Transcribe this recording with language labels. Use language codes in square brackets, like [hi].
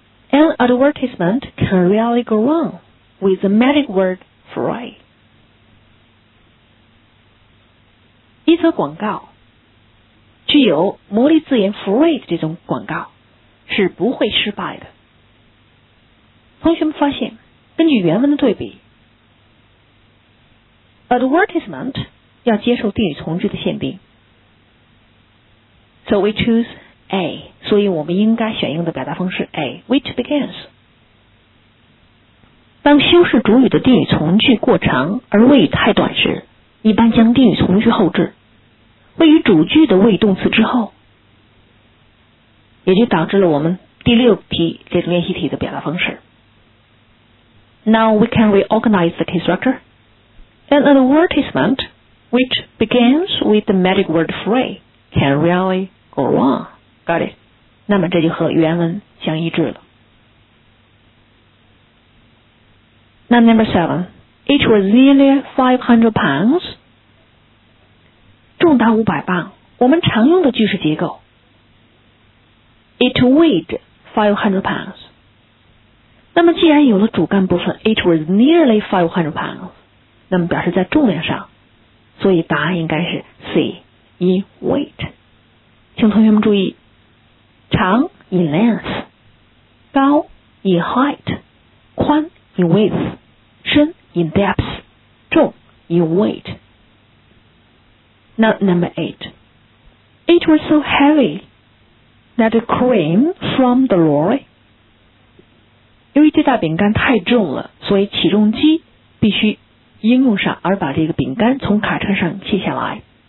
[en] An advertisement can really go wrong with the magic word free. [zh] 一则广告具有魔力字眼 free 的这种广告是不会失败的。同学们发现，根据原文的对比， advertisement 要接受定语从句的限定。 [en] So we choose. [zh] A, 所以我们应该选用的表达方式 A, [en] which begins. [zh] 当修饰主语的定语从句过长而谓语太短时，一般将定语从句后置，位于主句的谓语动词之后，也就导致了我们第六题这个练习题的表达方式。 [en] Now we can reorganize the key structure. An advertisement which begins with the magic word free can really go wrong. Got it. [zh] 那么这就和原文相一致了。那 [en] number seven, it was nearly 500 pounds. [zh] 重达500磅。我们常用的句式结构 [en] It weighed 500 pounds. [zh] 那么既然有了主干部分 [en] It was nearly 500 pounds. [zh] 那么表示在重量上。所以答案应该是 C, [en] in weight. [zh] 请同学们注意。 [en] 长 in length, 高 in height, 宽 in width, 深 in depth, 重 in weight. Now, number 8. It was so heavy that the cream from the lorry. [zh] 因为这大饼干太重了，所以起重机必须应用上，而把这个饼干从卡车上卸下来。